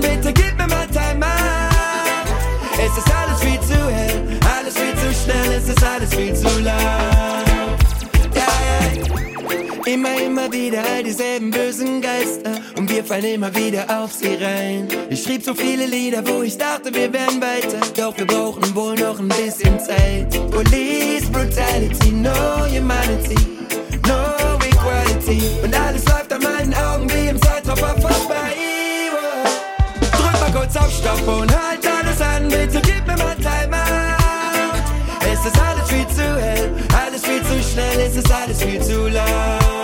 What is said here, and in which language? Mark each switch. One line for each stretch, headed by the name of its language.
German: Bitte gib mir mal Time Out. Es ist alles viel zu hell, alles viel zu schnell. Es ist alles viel zu laut. Immer, immer wieder all dieselben bösen Geister. Und wir fallen immer wieder auf sie rein. Ich schrieb so viele Lieder, wo ich dachte, wir wären weiter. Doch wir brauchen wohl noch ein bisschen Zeit.
English: Police Brutality, no humanity, no equality.
German: Und alles läuft an meinen Augen wie im Zeitraffer vorbei. Oh. Drück mal kurz auf Stopp und halt alles an. Bitte gib mir mal Time Out. Es ist alles viel zu hell, alles viel zu schnell. Es ist alles viel zu laut.